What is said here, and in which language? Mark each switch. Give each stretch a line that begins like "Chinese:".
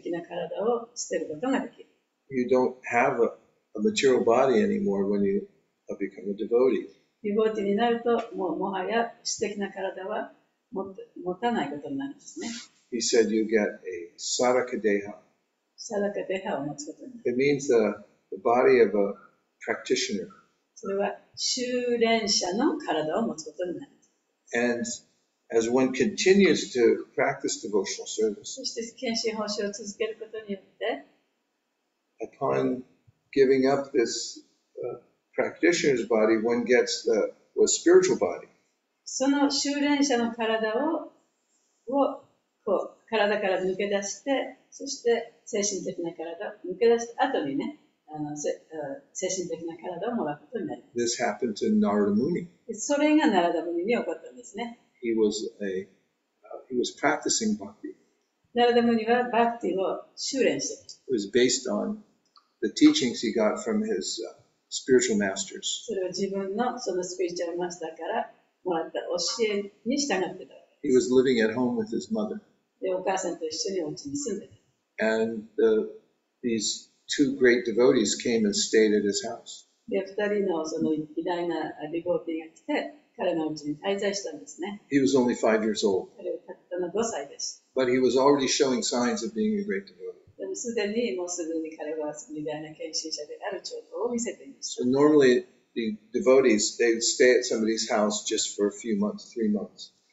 English: You don't have a material body anymore when you have become a devotee.
Japanese: リボーティになると、もうもはや私的な体は持たないことになるんですね。
English: He said you get a saraka deha.
Japanese: Saraka deha を持つことになる。
English: It means the body of a practitioner.
Japanese: それは修練者の体を持つことになる。
English: And as one continues to practice devotional service,
Japanese: そして献身奉仕を続けることによって、
English: upon giving up this practitioner's body, one gets the spiritual body.
Japanese: その修練者の体をこう体から抜け出して、そして精神的な体抜け出した後にね、精神的な体をもらうことになる。
English: This happened to Narada Muni.
Japanese: それがナラダムニに起こったんですね。
English: he was practicing bhakti.
Japanese: ナラダムニはバクティを修練して。
English: It was based on the teachings he got from his spiritual masters.
Japanese: それは自分のそのスピリチュアルマスターからもらった教えに従ってた。
English: He was living at home with his mother.
Japanese: でお母さんと一緒にお家に住んでた。
English: And these two great devotees came and stayed at his house.
Japanese: で、二人のその偉大なディボティが来て、彼のうちに滞在したんですね。
English: He was only 5 years old.
Japanese: 彼はたったの5歳です。
English: But he was already showing signs of being a great devotee.
Japanese: でもすでにもうすぐに彼は偉大な研修者である兆候を見せていました。
English: So normally, the devotees, they would stay at somebody's house just for a few months, 3 months.